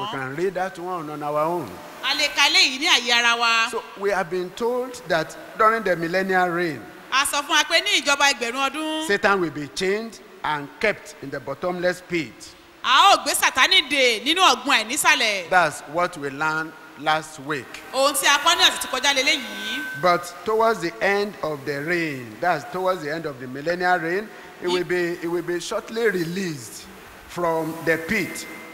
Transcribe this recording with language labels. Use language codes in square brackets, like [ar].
[en] We can read that one on our own. [yo] A lè ka eléyìí ní àyè ara wa. [en] So we have been told that during the millennial reign. [yo] A sọ fún wa pé ní ìjọba ẹgbẹ̀rún ọdún. [en] Satan will be chained and kept in the bottomless pit. [yo] A ó gbé Sátani dè nínú ọ̀gbun àìnísàlẹ̀. [en] That's what we learned last week. [yo] Ohun tí a kọ́ ní ọ̀sẹ̀ tó kọjá lélẹ́yìí. [en] But towards the end of the reign, that's towards the end of the millennial reign, it will be shortly released from the pit.